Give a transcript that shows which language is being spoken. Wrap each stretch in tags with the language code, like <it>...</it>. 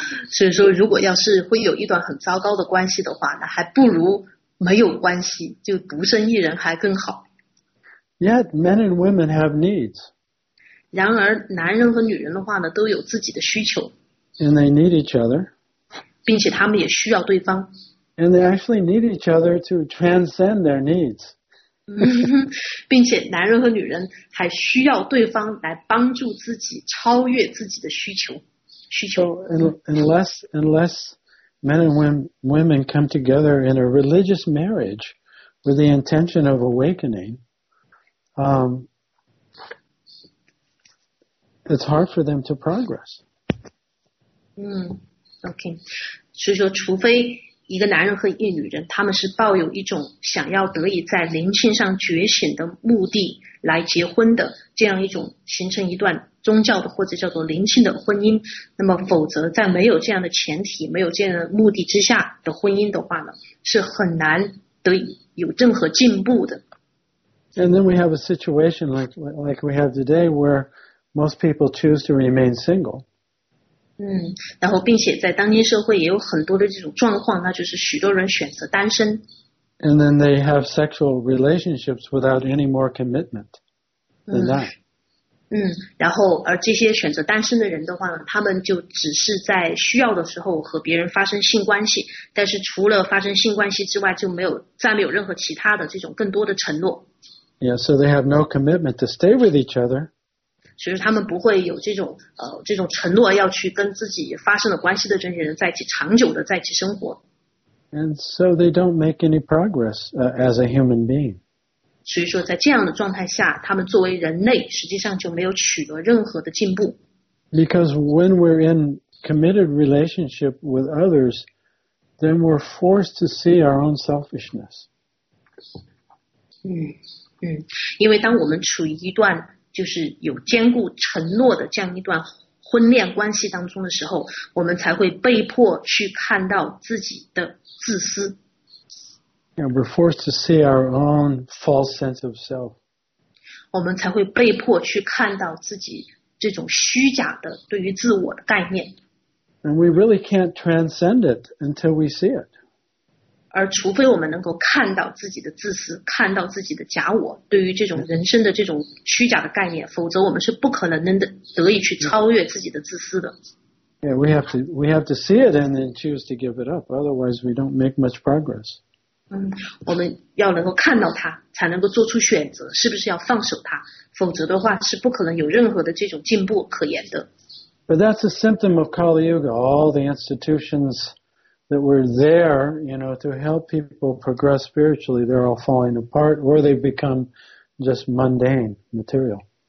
<zh>所以说如果要是会有一段很糟糕的关系的话，那还不如没有关系，就独身一人还更好。</zh> <en>Yet men and women have needs.</en> <zh>然而男人和女人的话呢，都有自己的需求。</zh> <en>And they need each other.</en> <zh>并且他们也需要对方。</zh> <en>And they actually need each other to transcend their needs.</en> <zh>并且男人和女人还需要对方来帮助自己超越自己的需求。</zh> <en>So unless men and women come together in a religious marriage with the intention of awakening, it's hard for them to progress. Okay.</en> <zh>所以说，除非一个男人和一女人，他们是抱有一种想要得以在灵性上觉醒的目的来结婚的，这样一种形成一段宗教的或者叫做灵性的婚姻，那么否则在没有这样的前提，没有这样的目的之下的婚姻的话呢，是很难得以有任何进步的。</zh> <en>And then we have a situation like we have today where most people choose to remain single.</en> <zh>然后并且在当今社会也有很多的这种状况，那就是许多人选择单身。</zh> <en>And then they have sexual relationships without any more commitment than that.</en> <zh>然后而这些选择单身的人的话呢，他们就只是在需要的时候和别人发生性关系，但是除了发生性关系之外，就没有再没有任何其他的这种更多的承诺。</zh> <en>Yeah, so they have no commitment to stay with each other.</en> <zh>其实他们不会有这种承诺要去跟自己发生了关系的这些人在一起长久的在一起生活。</zh> <en>And so they don't make any progress, as a human being.</en> <zh>所以说在这样的状态下，他们作为人类实际上就没有取得任何的进步。</zh> <en>Because when we're in committed relationship with others, then we're forced to see our own selfishness.</en> <zh>因为当我们处于一段就是有坚固承诺的这样一段婚恋关系当中的时候，我们才会被迫去看到自己的自私。</zh> <en>Yeah, we're forced to see our own false sense of self.</en> <zh>我们才会被迫去看到自己这种虚假的对于自我的概念。</zh> <en>And we really can't transcend it until we see it.</en> <zh>而除非我们能够看到自己的自私，看到自己的假我，对于这种人生的这种虚假的概念，否则我们是不可能得以去超越自己的自私的。</zh> <en>Yeah, we have to see it and then choose to give it up. Otherwise, we don't make much progress.</en> <zh>我们要能够看到它，才能够做出选择，是不是要放手它？否则的话，是不可能有任何的这种进步可言的。</zh> <en>But that's a symptom of Kali Yuga. All the institutions that were there, you know, to help people progress spiritually, they're all falling apart, or they become just mundane material.</en>